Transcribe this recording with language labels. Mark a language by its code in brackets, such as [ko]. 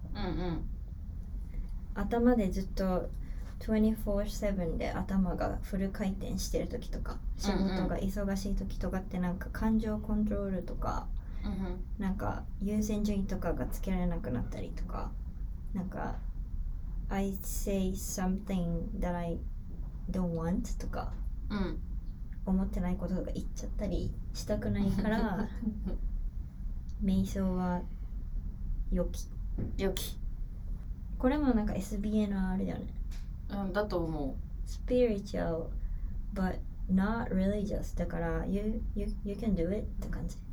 [ja] うんうん。頭でずっと 24/7 で頭がフル回転してる時とか、仕事が忙しい時とかってなんか感情コントロールとか、うんうん、なんか優先順位とかがつけられなくなったりとか。なんか [en] I say something that I don't want とか、うん、 [ja] 思ってないこととか言っちゃったりしたくないから瞑想は良き良き。これもなんか SBNR だよね、うん、だと思う。 [en] Spiritual but not religious [ja] だから [en] you can do it [ja] って感じ、